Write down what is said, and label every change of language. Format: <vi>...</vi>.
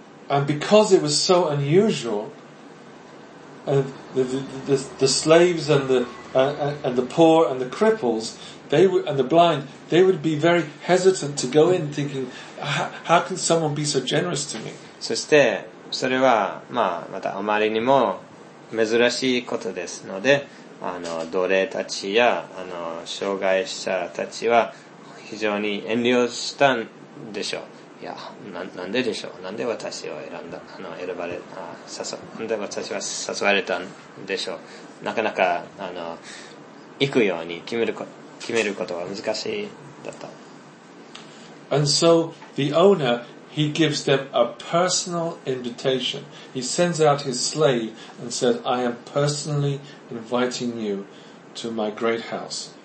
<en>And because it was so unusual, the slaves and the poor and the cripples, they would, and the blind, they would be very hesitant to go in thinking, how can someone be so generous to me?</en> <ja>そしてそれはまあまたあまりにも珍しいことですので、奴隷たちや障害者たちは非常に遠慮したんでしょう。いや、なんででしょう。なんで私を選んだ、選ばれ、あ、誘、なんで私は誘われたんでしょう。なかなか、行くように決めることは難しいだった。</ja> <en>And so, the owner, he gives them a personal invitation. He sends out his slave and says, I am personally inviting you to my great house.</en>